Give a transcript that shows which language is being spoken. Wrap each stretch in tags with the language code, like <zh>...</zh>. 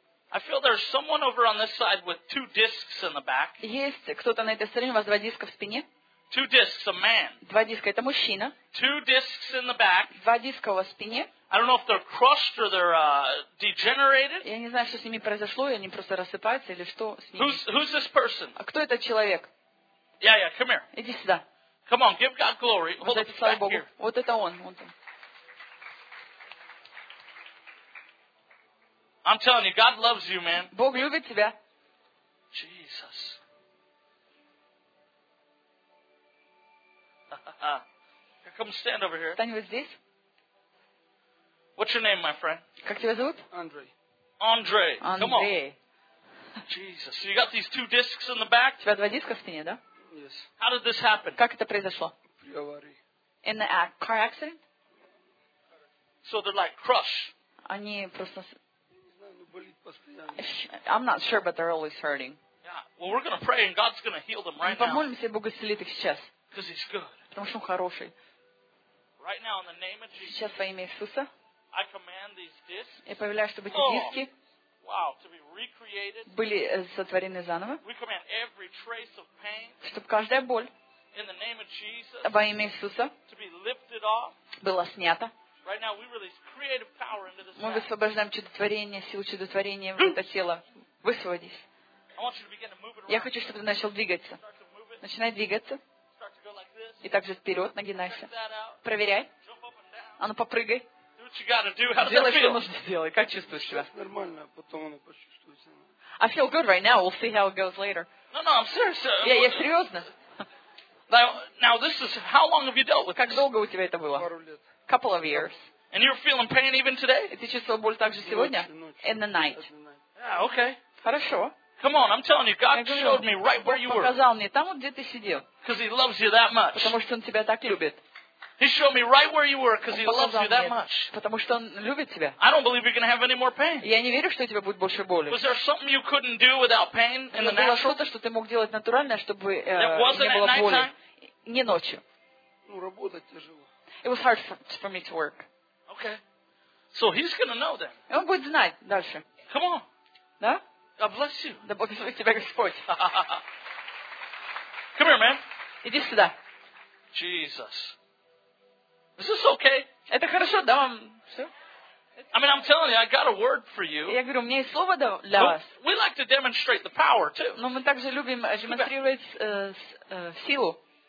<en>I feel there's someone over on this side with two discs in the back.</en> <ru>Есть кто-то на этой стороне, у вас два диска в спине?</ru> <en>Two discs, a man.</en> <ru>Два диска, это мужчина.</ru> <en>Two discs in the back.</en> <ru>Два диска у вас в спине.</ru> <en>I don't know if they're crushed or they're degenerated.</en> <ru>Я не знаю, что с ними произошло, они просто рассыпаются или что с ними.</ru> <en>Who's this person?</en> <ru>А кто этот человек?</ru> <en>Yeah, come here.</en> <ru>Иди сюда.</ru> <en>Come on, give God glory.</en> <ru>Вот это, слава Богу. Вот это он, вот он.</ru> <en>I'm telling you, God loves you, man.</en> <ru>Бог любит тебя.</ru> <en>Jesus. Come stand over here.</en> <ru>Стань вот здесь.</ru> <en>What's your name, my friend?</en> <ru>Как тебя зовут?</ru> <en>Andre. Andre. Andre. Come on. Jesus, so you got these two discs in the back?</en> <ru>У тебя два диска в спине, да?</ru> <en>Yes. How did this happen? Как это произошло?</en> <ru>При аварии.</ru> <en>In the car accident? So they're like crushed.</en> <ru>Они просто. Не знаю, но болит постоянно.</ru> <en>I'm not sure, but they're always hurting. Yeah. Well, we're gonna pray, and God's gonna heal them right now.</en> <ru>Мы помолимся, и Бог исцелит их сейчас.</ru> <en>Because He's good.</en> <ru>Потому что он хороший.</ru> <en>Right now, in the name of Jesus,</en> <ru>сейчас во имя Иисуса</ru> <en>I command these discs,</en> <ru>я повелеваю, чтобы эти диски</ru> <en>wow, to be recreated,</en> <ru>были сотворены заново,</ru> <en>we command every trace of pain,</en> <ru>чтобы каждая боль</ru> <en>in the name of Jesus,</en> <ru>во имя Иисуса</ru> <en>to be lifted off,</en> <ru>была снята.</ru> <en>Right now, we release creative power into this</en> <ru>мы высвобождаем чудотворение, силу чудотворения в это тело. Высвободись. Я хочу, чтобы ты начал двигаться. Начинай двигаться. И также вперед, нагинайся. Проверяй. А ну попрыгай. Делай, что нужно сделать. Как чувствуешь себя? Нормально, а потом оно почувствуется.</ru> <en>I feel good right now. We'll see how it goes later. No, I'm serious.</en> <ru>Yeah, я серьезно.</ru> <en>Now, this is how long have you dealt with?</en> <ru>Как долго у тебя это было? Пару лет.</ru> <en>Couple of years. And you're feeling pain even today?</en> <ru>Ты чувствовал боль также сегодня?</ru> <en>In the night. Yeah, okay.</en> <ru>Хорошо.</ru> <en>Come on, I'm telling you, God showed me right where you were.</en> <ru>Показал мне там, где ты сидел.</ru> <en>Because He loves you that much.</en> <ru>Потому что Он тебя так любит.</ru> <en>He showed me right where you were because He loves you that much.</en> <ru>Потому что Он любит тебя.</ru> <en>I don't believe you're going to have any more pain.</en> <ru>Я не верю, что у тебя будет больше боли.</ru> <en>Was there something you couldn't do without pain in the natural?</en> <ru>Было что-то, что ты мог делать натуральное, чтобы не было боли. Не ночью. Ну, работать тяжело.</ru> <en>It was hard for me to work. Okay. So He's going to know then.</en> <ru>И Он будет знать дальше.</ru> <en>Come on.</en> <ru>Да?</ru> <en>God bless you.</en> <ru>Да благослови тебя Господь.</ru> <en>Come here, man.</en> <ru>Иди сюда.</ru> <en>Jesus. Is this okay?</en> <ru>Это хорошо, да вам все?</ru> <en>I mean, I'm telling you, I got a word for you.</en> <ru>Я говорю, у меня есть слово для вас.</ru> <en>We like to demonstrate the power too.</en> <ru>Но мы также любим демонстрировать силу.</ru>